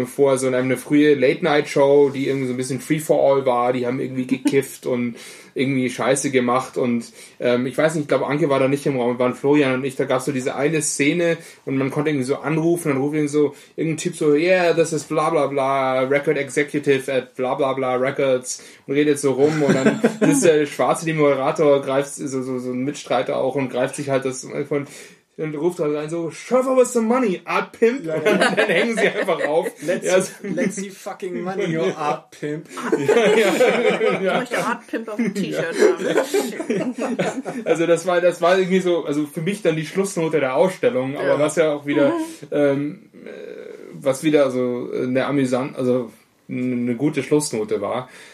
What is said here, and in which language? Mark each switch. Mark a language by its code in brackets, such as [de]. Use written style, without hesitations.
[de] Vor, so eine frühe Late-Night-Show, die irgendwie so ein bisschen Free-for-All war, die haben irgendwie gekifft und irgendwie Scheiße gemacht, und ich weiß nicht, ich glaube, Anke war da nicht im Raum, waren Florian und ich, da gab es so diese eine Szene, und man konnte irgendwie so anrufen, dann ruft irgendwie so irgendein Typ so, yeah, das ist bla bla bla, [en] Record Executive at bla bla bla Records, [de] und redet so rum, und dann ist der Schwarze, die Moderator, greift so ein Mitstreiter auch, und greift sich halt das von, dann ruft halt rein so, [en] shove over some money, Art Pimp, [de] ja, ja. Und dann hängen sie einfach auf. [en] Let's see fucking money, your Art Pimp. [de] Ja, ja. Ich möchte Art Pimp auf dem T-Shirt haben. Also das war irgendwie so, also für mich dann die Schlussnote der Ausstellung, aber ja. Was ja auch wieder, was wieder so eine amüsante, also eine gute Schlussnote war.